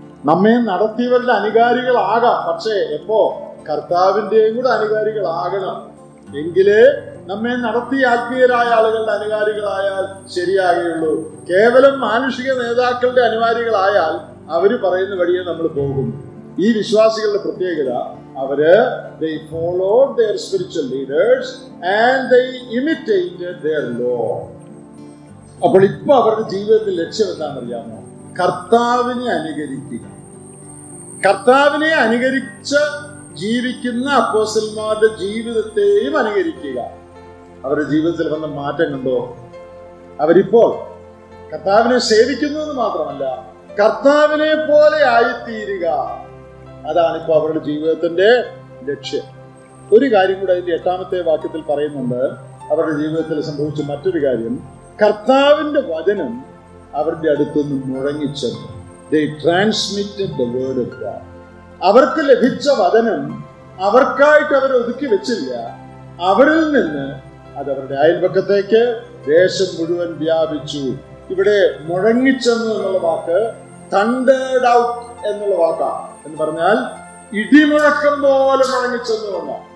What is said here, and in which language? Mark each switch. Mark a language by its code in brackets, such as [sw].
[ml] നമ്മെ നടത്തിയവരുടെ അനുകാരികളാകാം, പക്ഷേ എപ്പോ? കർത്താവിന്റെയും കൂടെ അനുകാരികളാകണം. എങ്കിലേ നമ്മെ നടത്തി ആത്മീയരായ ആളുകളുടെ അനുകാരികളായാൽ ശരിയാകുകയുള്ളൂ. കേവലം മാനുഷിക നേതാക്കളുടെ അനുകാരികളായാൽ അവര് പറയുന്ന വഴിയെ നമ്മൾ പോകും. ഈ വിശ്വാസികളുടെ പ്രത്യേകത, അവര് [en] they followed their spiritual leaders and they imitated their Lord. [ml] അപ്പോൾ ഇപ്പൊ അവരുടെ ജീവിതത്തിൽ ലക്ഷ്യം എന്താണെന്നറിയാമോ? കർത്താവിനെ അനുകരിക്കുക. കർത്താവിനെ അനുകരിച്ച് ജീവിക്കുന്ന അപ്പോസ്തലന്മാരുടെ ജീവിതത്തെയും അനുകരിക്കുക. അവരുടെ ജീവിതത്തിൽ വന്ന മാറ്റം കണ്ടോ? അവരിപ്പോൾ കർത്താവിനെ സേവിക്കുന്നു എന്ന് മാത്രമല്ല, കർത്താവിനെ പോലെ ആയിത്തീരുക. അതാണിപ്പോ അവരുടെ ജീവിതത്തിന്റെ ലക്ഷ്യം. ഒരു കാര്യം കൂടെ അതിന്റെ 8-ാമത്തെ വാക്യത്തിൽ പറയുന്നുണ്ട്. അവരുടെ ജീവിതത്തിൽ സംഭവിച്ച മറ്റൊരു കാര്യം, കർത്താവിന്റെ വചനം അവരുടെ അടുത്തുനിന്ന് മുഴങ്ങിച്ചെന്നു. [en] They transmitted the word of God. [ml] അവർക്ക് ലഭിച്ച വചനം അവർക്കായിട്ട് അവരൊതുക്കി വെച്ചില്ല, അവരിൽ നിന്ന് അത് അവരുടെ അയൽപക്കത്തേക്ക് ദേശം മുഴുവൻ വ്യാപിച്ചു. ഇവിടെ മുഴങ്ങിച്ചെന്നു എന്നുള്ള വാക്ക് തണ്ടേഡ് ഔട്ട് എന്നുള്ള വാക്കാണ്. എന്ന് പറഞ്ഞാൽ ഇടിമുഴക്കം പോലെ മുഴങ്ങിച്ചെന്നു വന്ന.